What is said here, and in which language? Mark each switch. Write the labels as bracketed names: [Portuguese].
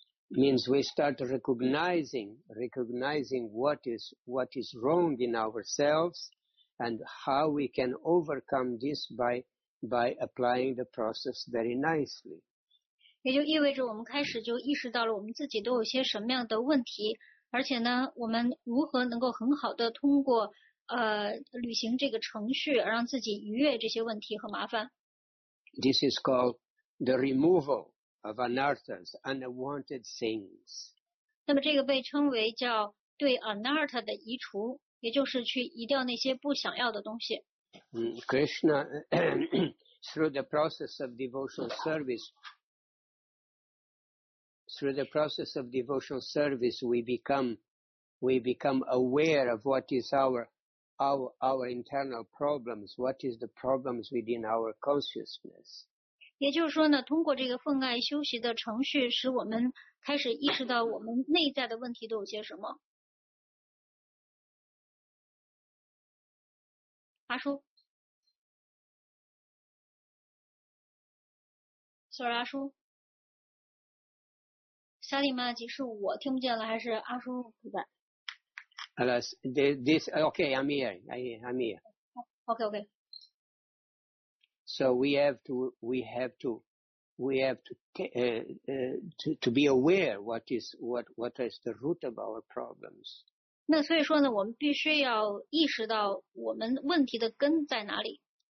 [English] Means we start recognizing what is wrong in ourselves, and how we can overcome this by by applying the process very nicely. [Chinese] 也就意味着我们开始就意识到了我们自己都有些什么样的问题，而且呢，我们如何能够很好的通过履行这个程序，让自己逾越这些问题和麻烦。 [English] This is called the removal of anarthas, unwanted things. [Chinese] 那么这个被称为叫对 anartha 的移除，也就是去移掉那些不想要的东西。 [English] Krishna, through the process of devotional service, we become aware of what is our internal problems, what is the problems within our consciousness. [Chinese] 也就是说呢，通过这个奉爱修习的程序，使我们开始意识到我们内在的问题都有些什么。阿叔 ，sorry， 阿叔。沙利玛吉是我听不见了，还是阿叔不在 [English] ？Alas, this okay. I'm here. Okay. So we have to be aware what is the root of our problems. [Chinese] 那所以说呢，我们必须要意识到我们问题的根在哪里。